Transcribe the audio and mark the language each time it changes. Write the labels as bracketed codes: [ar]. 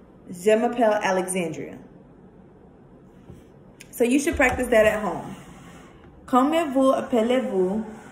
[fr] Je m'appelle Alexandria. [en] So you should practice that at home. [fr] Comment vous appelez-vous?